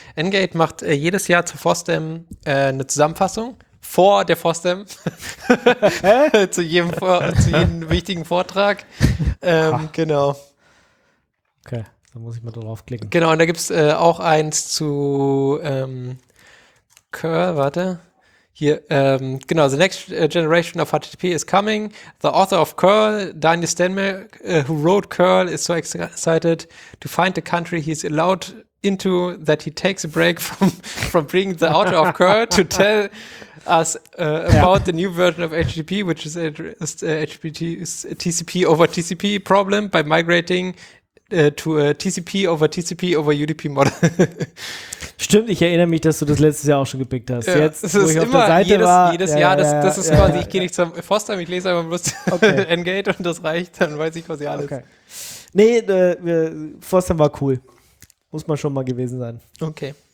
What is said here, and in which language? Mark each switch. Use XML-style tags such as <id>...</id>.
<de>Engate macht jedes Jahr zur FOSDEM eine Zusammenfassung. Vor der FOSDEM. zu jedem wichtigen Vortrag. genau. Okay. Da muss ich mal draufklicken. Genau, und da gibt es auch eins zu Curl, warte. Hier, genau,</de> <en>the next generation of HTTP is coming. The author of Curl, Daniel Stenmark, who wrote Curl, is so excited to find the country he's allowed into that he takes a break from being the author of Curl to tell us about the new version of HTTP, which is TCP over TCP problem by migrating to a TCP over TCP over UDP Model.</en> <de>Stimmt, ich erinnere mich, dass du das letztes Jahr auch schon gepickt hast. Ja, jetzt, es ist wo ich immer auf der Seite jedes, war. Jedes ja, Jahr, ja, das ja, ist ja, quasi, ja, ich gehe nicht zum Fostheim, ich lese einfach bloß N-Gate und das reicht, dann weiß ich quasi alles. Okay. Nee, Fostheim war cool. Muss man schon mal gewesen sein. Okay.</de>